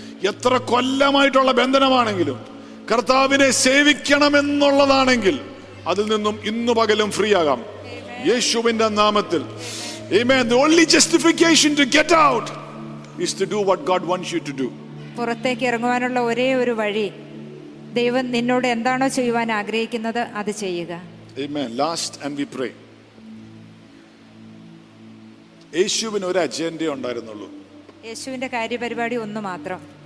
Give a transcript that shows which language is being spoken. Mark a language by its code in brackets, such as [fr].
[ml] എത്ര കൊല്ലമായിട്ടുള്ള ബന്ധനമാണെങ്കിലും കർത്താവിനെ സേവിക്കണമെന്നുള്ളതാണെങ്കിൽ അതിൽ നിന്നും ഇന്ന് പകലും ഫ്രീ ആകാം യേശുവിന്റെ നാമത്തിൽ. [en] Amen. The only justification to get out is to do what God wants you to do. [ml] പുറത്തേക്ക് ഇറങ്ങുവാനുള്ള ഒരേ ഒരു വഴി, ദൈവം നിന്നോട് എന്താണോ ചെയ്യുവാൻ ആഗ്രഹിക്കുന്നത് അത് ചെയ്യുക. [en] Amen. Last and we pray. [ml] യേശുവിന് ഒരു അജണ്ട ഉണ്ടായിരുന്നുള്ളൂ. യേശുവിന്റെ കാര്യപരിപാടി ഒന്ന് മാത്രം.